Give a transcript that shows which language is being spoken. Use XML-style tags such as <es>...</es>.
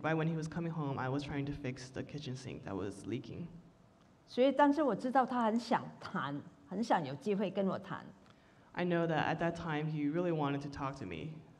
<en>right when he was coming home, I was trying to fix the kitchen sink that was leaking.</en> <zh>所以，但是我知道他很想谈，很想有机会跟我谈。I</zh> <en>know that at that time he really wanted to talk to me.</en>